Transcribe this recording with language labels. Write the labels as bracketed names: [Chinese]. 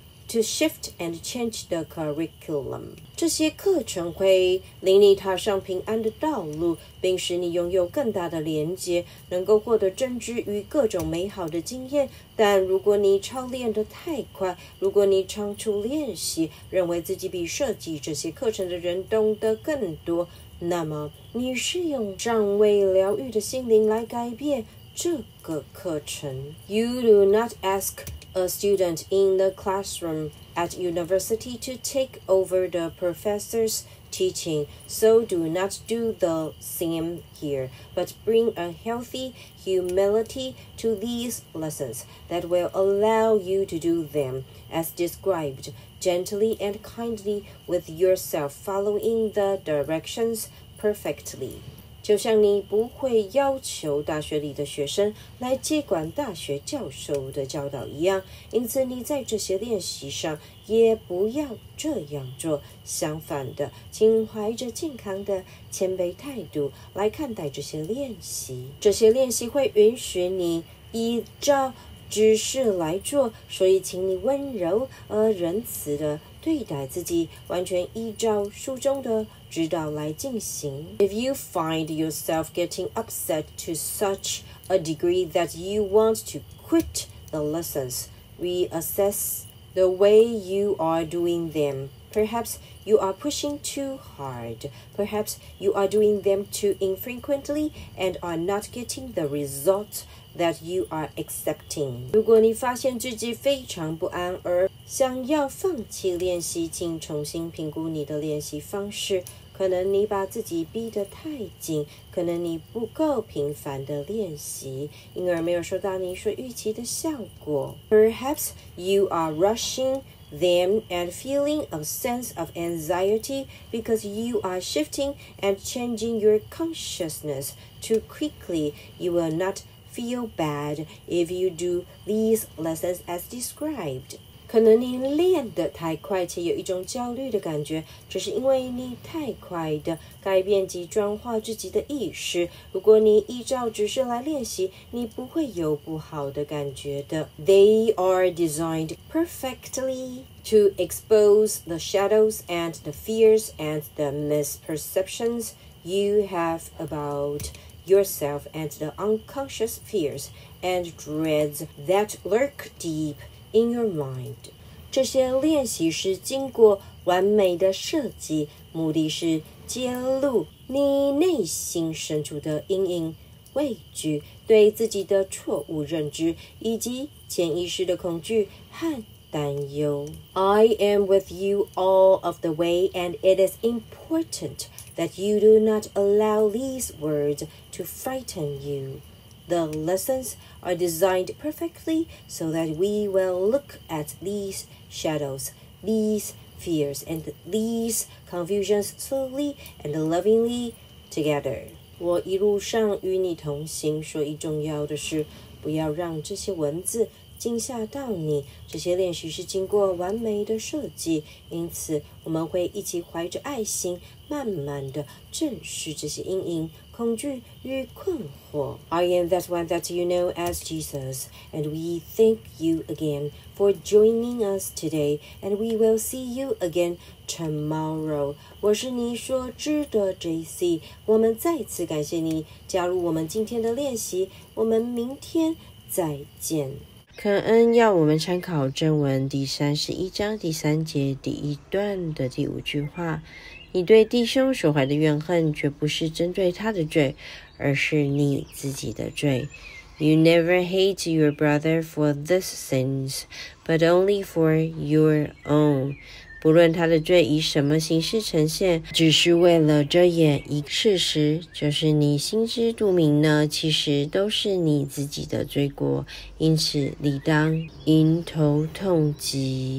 [English] To shift and change the curriculum. [Chinese] 这些课程会领你踏上平安的道路，并使你拥有更大的连接，能够获得真知与各种美好的经验。但如果你操练得太快，如果你仓促练习，认为自己比设计这些课程的人懂得更多，那么你是用尚未疗愈的心灵来改变这个课程。 [English] You do not ask. A student in the classroom at university to take over the professor's teaching. So do not do the same here, but bring a healthy humility to these lessons that will allow you to do them as described, gently and kindly with yourself following the directions perfectly. [Chinese] 就像你不会要求大学里的学生来接管大学教授的教导一样，因此你在这些练习上也不要这样做。相反的，请怀着健康的谦卑态度来看待这些练习。这些练习会允许你依照知识来做，所以请你温柔而仁慈地对待自己，完全依照书中的指导来进行。 [English] If you find yourself getting upset to such a degree that you want to quit the lessons, reassess the way you are doing them. Perhaps you are pushing too hard. Perhaps you are doing them too infrequently and are not getting the results. That you are accepting. [Chinese] 如果你发现自己非常不安而想要放弃练习，请重新评估你的练习方式。可能你把自己逼得太紧，可能你不够频繁的练习，因而没有收到你所预期的效果。 [English] Perhaps you are rushing them and feeling a sense of anxiety because you are shifting and changing your consciousness too quickly. You will not feel bad if you do these lessons as described. [Chinese] 可能你练得太快且有一种焦虑的感觉，这是因为你太快的改变及转化自己的意识。如果你依照指示来练习，你不会有不好的感觉的。 [English] They are designed perfectly to expose the shadows and the fears and the misperceptions you have aboutyourself and the unconscious fears and dreads that lurk deep in your mind. [Chinese] 这些练习是经过完美的设计，目的是揭露你内心深处的阴影、畏惧、对自己的错误认知以及潜意识的恐惧和担忧。 [English] I am with you all of the way, and it is importantthat you do not allow these words to frighten you. The lessons are designed perfectly so that we will look at these shadows, these fears, and these confusions slowly and lovingly together. [Chinese] 我一路上与你同行，所以重要的是不要让这些文字惊吓到你。这些练习是经过完美的设计，因此我们会一起怀着爱心，慢慢地正视这些阴影、恐惧与困惑。 [English] I am that one that you know as Jesus, and we thank you again for joining us today, and we will see you again tomorrow. [Chinese] 我是你所知的 JC, 我们再次感谢你加入我们今天的练习，我们明天再见。肯恩要我们参考正文第31章第3节第1段的第5句话，你对弟兄所怀的怨恨绝不是针对他的罪，而是你自己的罪。 [English] You never hate your brother for this sins, but only for your own. [Chinese] 不论他的罪以什么形式呈现，只是为了遮掩一个事实，就是你心知肚明呢，其实都是你自己的罪过，因此理当迎头痛击。